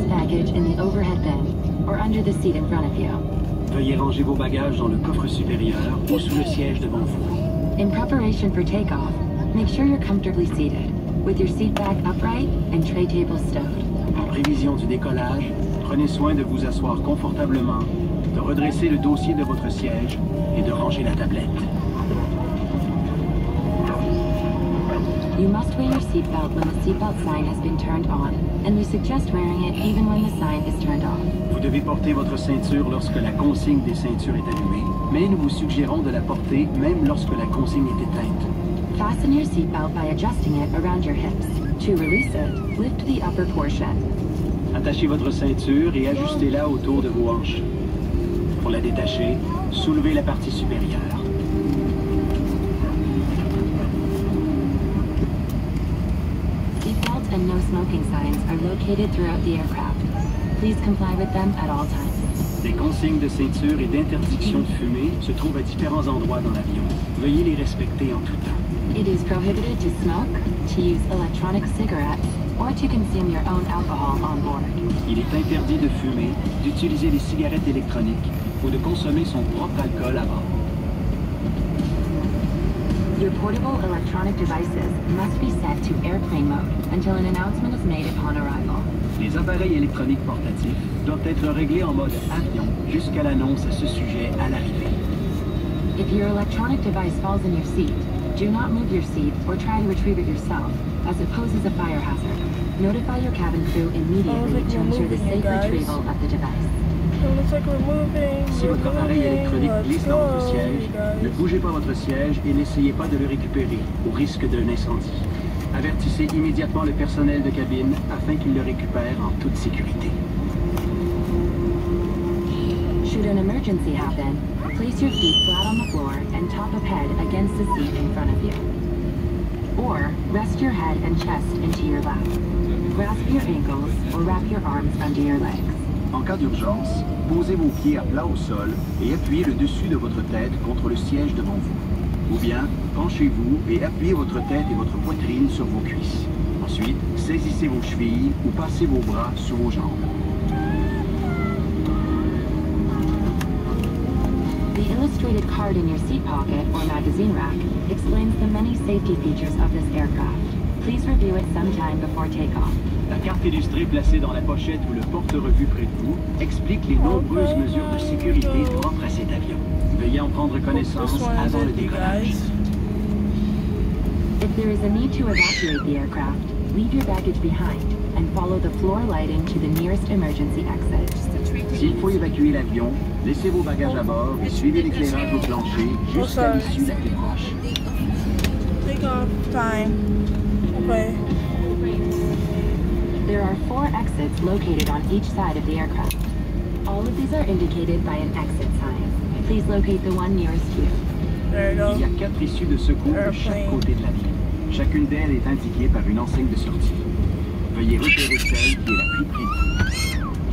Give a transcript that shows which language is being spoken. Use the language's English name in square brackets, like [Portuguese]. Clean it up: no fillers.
[English] In the overhead bin or under the seat in front of you. [French] Veuillez ranger vos bagages dans le coffre supérieur ou sous le siège devant vous. [English] In preparation for takeoff, make sure you're comfortably seated with your seat back upright and tray table stowed. [French] En prévision du décollage, prenez soin de vous asseoir confortablement, de redresser le dossier de votre siège et de ranger la tablette. [English] You must wear your seatbelt when the seatbelt sign has been turned on, and we suggest wearing it even when the sign is turned off. [French] Vous devez porter votre ceinture lorsque la consigne des ceintures est allumée, mais nous vous suggérons de la porter même lorsque la consigne est éteinte. [English] Fasten your seatbelt by adjusting it around your hips. To release it, lift the upper portion. [French] Attachez votre ceinture et ajustez-la autour de vos hanches. Pour la détacher, soulevez la partie supérieure. [English] No smoking signs are located throughout the aircraft. Please comply with them at all times. [French] Les consignes de ceinture et d'interdiction de fumer se trouvent à différents endroits dans l'avion. Veuillez les respecter en tout temps. [English] It is prohibited to smoke, to use electronic cigarettes, or to consume your own alcohol on board. [French] Il est interdit de fumer, d'utiliser les cigarettes électroniques, ou de consommer son propre alcool à bord. [English] Your portable electronic devices must be set to airplane mode until an announcement is made upon arrival. [French] Les appareils électroniques portatifs doivent être réglés en mode avion jusqu'à l'annonce à ce sujet à l'arrivée. [English] If your electronic device falls in your seat, do not move your seat or try to retrieve it yourself, as it poses a fire hazard. Notify your cabin crew immediately to ensure the safe retrieval of the device. It looks like we're moving. [French] Si votre appareil électronique glisse dans votre siège, ne bougez pas votre siège et n'essayez pas de le récupérer au risque d'un incendie. Avertissez immédiatement le personnel de cabine afin qu'il le récupère en toute sécurité. [English] Should an emergency happen, place your feet flat on the floor and top of head against the seat in front of you. Or rest your head and chest into your lap. Grasp your ankles or wrap your arms under your legs. [French] En cas d'urgence, posez vos pieds à plat au sol et appuyez le dessus de votre tête contre le siège devant vous. Ou bien, penchez-vous et appuyez votre tête et votre poitrine sur vos cuisses. Ensuite, saisissez vos chevilles ou passez vos bras sous vos jambes. [English] The illustrated card in your seat pocket or magazine rack explains the many safety features of this aircraft. Please review it sometime before takeoff. [French] La carte illustrée placée dans la pochette ou le porte-revue près de vous explique les nombreuses mesures de sécurité propres à cet avion. Veuillez en prendre connaissance avant le décollage. [English] If there is a need to evacuate the aircraft, leave your baggage behind and follow the floor lighting to the nearest emergency exit. [French] S'il faut évacuer l'avion, laissez vos bagages à bord et suivez l'éclairage au plancher jusqu'à l'issue la plus proche. [English] Takeoff time. There are four exits located on each side of the aircraft. All of these are indicated by an exit sign. Please locate the one nearest you. [French] Il y a quatre issues de secours de chaque côté de l'avion. Chacune d'elles est indiquée par une enseigne de sortie. Veuillez repérer celle qui est la plus près.